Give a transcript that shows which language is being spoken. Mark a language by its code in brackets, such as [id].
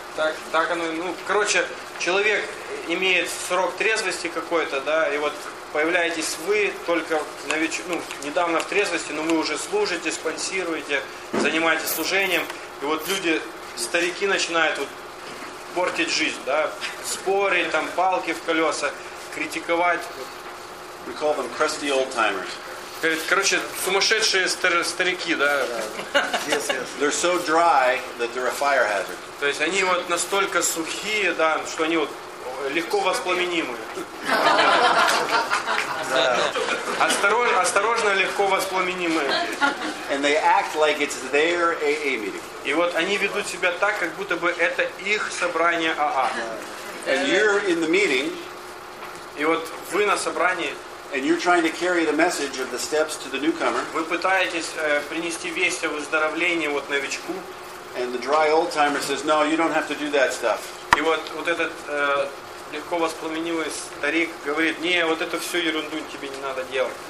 [ru] Так оно, ну, короче, человек имеет срок трезвости какой-то, да, и вот появляетесь вы только недавно в трезвости, но вы уже служите, спонсируете, занимаетесь служением, и вот люди, старики начинают вот портить жизнь, да, спорить, там, палки в колеса, критиковать. [en] We call them crusty old timers. [ru] Короче, сумасшедшие старики, да? [en] Yes, yes. They're so dry that they're a fire hazard. [ru] То есть они вот настолько сухие, да, что они вот легко воспламенимые. Осторожно, легко воспламенимые. [en] And they act like it's their AA meeting. [ru] И вот они ведут себя так, как будто бы это их собрание АА. [en] And you're in the meeting. [ru] И вот вы на собрании. [en] And you're trying to carry the message of the steps to the newcomer. [ru] Вы пытаетесь принести весть о выздоровлении вот новичку. [en] And the dry old timer says, "No, you don't have to do that stuff." [ru] И вот этот легко воспламенивый старик говорит: "Не, вот эту всю ерунду тебе не надо делать."